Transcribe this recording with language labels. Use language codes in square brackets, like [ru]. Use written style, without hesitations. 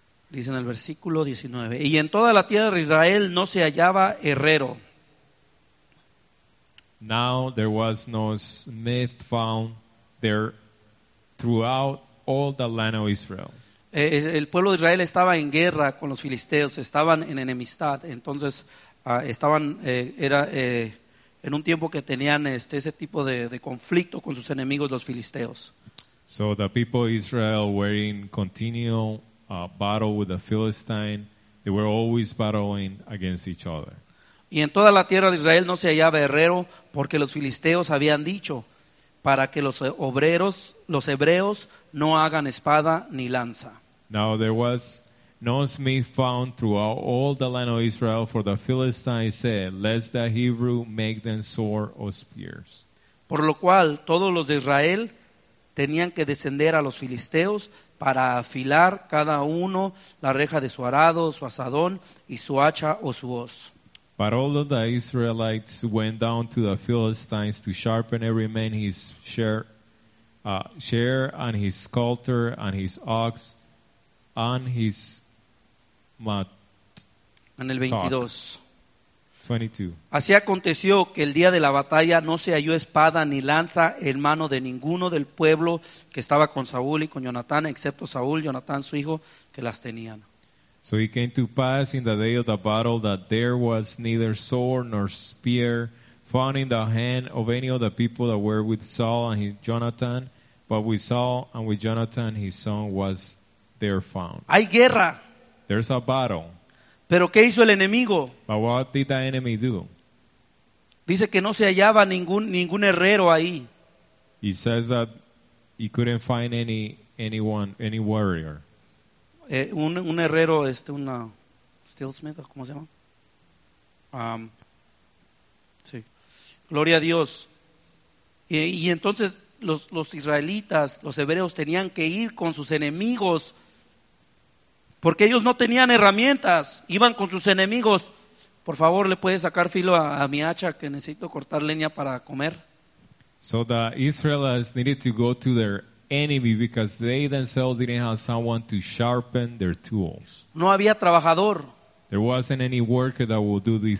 [es] Dice en el versículo 19. Y en toda la tierra de Israel no se hallaba herrero. [en] Now there was no smith found there throughout all the land of Israel. [es] El pueblo de Israel estaba en guerra con los filisteos, estaban en enemistad, entonces en un tiempo que tenían ese tipo de conflicto con sus enemigos, los filisteos. [en] So the people of Israel were in continual battle with the Philistine. They were always battling against each other. [es] Y en toda la tierra de Israel no se hallaba herrero, porque los filisteos habían dicho, para que los hebreos no hagan espada ni lanza. [en] Now there was no smith found throughout all the land of Israel, for the Philistines said, lest the Hebrew make them sword or spears. [es] Por lo cual todos los de Israel tenían que descender a los filisteos para afilar cada uno la reja de su arado, su asadón y su hacha o su hoz. [en] But all of the Israelites went down to the Philistines to sharpen every man his share and his sculptor and his ox and his mattock. [es] En el 22. [en] 22. [es] Así aconteció que el día de la batalla no se halló espada ni lanza en mano de ninguno del pueblo que estaba con Saúl y con Jonatán, excepto Saúl, Jonatán, su hijo, que las tenían. [en] So it came to pass in the day of the battle that there was neither sword nor spear found in the hand of any of the people that were with Saul and his Jonathan, but with Saul and with Jonathan his son was there found. [es] Hay guerra. [en] There's a battle. [es] Pero ¿qué hizo el enemigo? [en] But what did the enemy do? [es] Dice que no se hallaba ningún herrero ahí. [en] He says that he couldn't find any warrior. [es] Un herrero, una steelsmith, ¿cómo se llama? Sí. Gloria a Dios. Y entonces los israelitas, los hebreos, tenían que ir con sus enemigos porque ellos no tenían herramientas. Iban con sus enemigos. Por favor, ¿le puede sacar filo a mi hacha que necesito cortar leña para comer? [en] So the Israelites needed to go to their enemy because they themselves didn't have someone to sharpen their tools. [es] No había trabajador. [en] There wasn't any worker that would do this